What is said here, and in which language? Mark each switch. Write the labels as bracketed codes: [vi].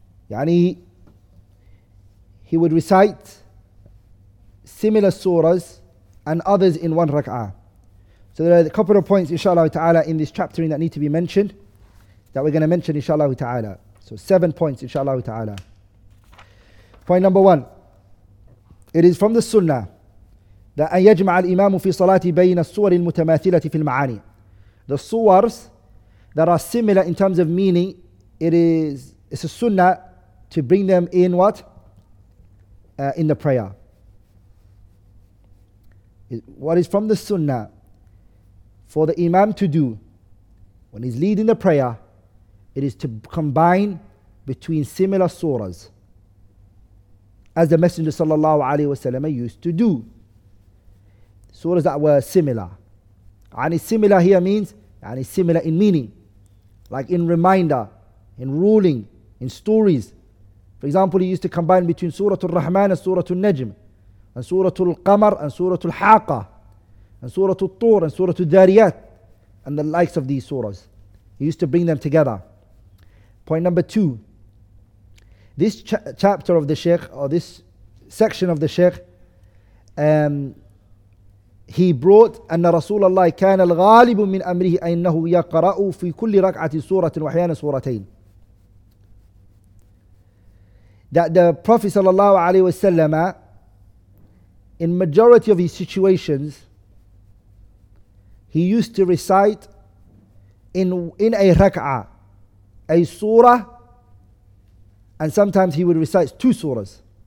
[en] Yani, he would recite similar surahs and others in one rak'ah. So there are a couple of points, inshallah ta'ala, in this chapter that need to be mentioned, that we're going to mention, inshallah ta'ala. So 7 points, inshallah ta'ala. Point number one, it is from the sunnah that [ar] أن يجمع الإمام في صلاة بين الصور المتماثلة في المعاني. [en] The surahs that are similar in terms of meaning, it's a sunnah to bring them in what? In the prayer. What is from the sunnah for the imam to do when he's leading the prayer, it is to combine between similar surahs, as the Messenger sallallahu alaihi wasallam used to do. Surahs that were similar. And similar here means and similar in meaning, like in reminder, in ruling, in stories. For example, he used to combine between Surah Al-Rahman and Surah Al-Najm, and Surah Al-Qamar and Surah Al-Haqa, and Surah Al-Tur and Surah Al-Dariyat, and the likes of these surahs. He used to bring them together. Point number two. This chapter of the Shaykh, or this section of the Shaykh, he brought [ar] أن رسول الله كان الغالب من أمره أنه يقرأ في كل ركعة سورة وحيانا سورتين. [en] That the Prophet [ar] صلى الله عليه وسلم, [en] in majority of his situations, he used to recite in a rak'ah, a surah, and sometimes he would recite two surahs.